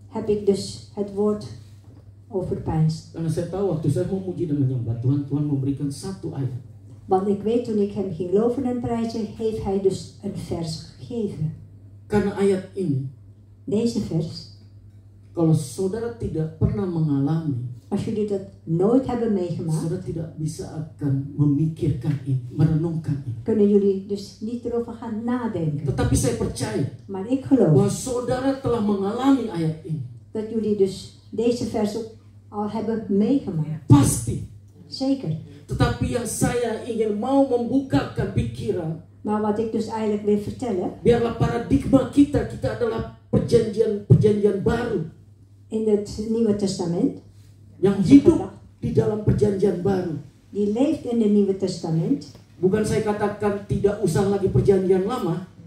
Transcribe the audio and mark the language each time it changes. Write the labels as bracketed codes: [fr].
[nl] Heb ik dus het woord overpeins. [id] Karena saya tahu waktu saya memuji dan menyembah Tuhan, Tuhan memberikan satu ayat. [nl] Want ik weet toen ik hem ging loven en prijzen, heeft hij dus een vers gegeven. [id] Karena ayat ini. [nl] Deze vers. [id] Kalau saudara tidak pernah mengalami. [nl] Als jullie dat nooit hebben meegemaakt. [id] Saudara tidak bisa akan memikirkan ini, merenungkan ini. [nl] Kunnen jullie dus niet erover gaan nadenken. [id] Tetapi saya percaya. [nl] Maar ik geloof. [id] Bahwa saudara telah mengalami ayat ini. [nl] Dat jullie dus deze vers ook al hebben meegemaakt. [id] Pasti. [nl] Zeker. [id] Tetapi yang saya ingin mau membukakan pikiran. [nl] Maar wat ik dus eigenlijk wil vertellen. [id] Biarlah paradigma kita, kita adalah perjanjian-perjanjian baru. [nl] In het Nieuwe Testament. [id] Yang hidup di dalam perjanjian baru. [nl] Die leeft in het Nieuwe Testament. [id] Bukan saya katakan tidak usah lagi perjanjian lama.